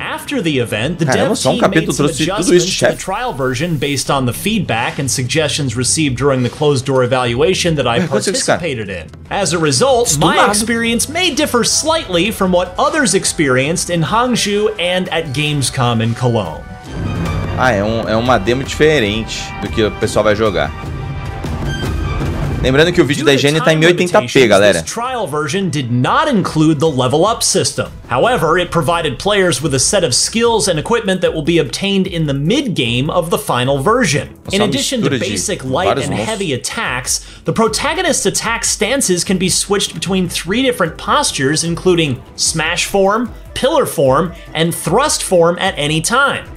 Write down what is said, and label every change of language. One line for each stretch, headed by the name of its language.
English: after the event, the dev team made some adjustments to the trial version based on the feedback and suggestions received during the closed-door evaluation that I participated in. As a result, my experience may differ slightly from what others experienced in Hangzhou and at Gamescom in Cologne.
Portuguese: Ah, é uma demo diferente do que o pessoal vai jogar. Lembrando que o vídeo da IGN tá em 1080p, galera.
English: This trial version did not include the level up system. However, it provided players with a set of skills and equipment that will be obtained in the mid-game of the final version. In addition to basic light and heavy attacks, the protagonist's attack stances can be switched between 3 different postures, including smash form, pillar form, and thrust form at any time.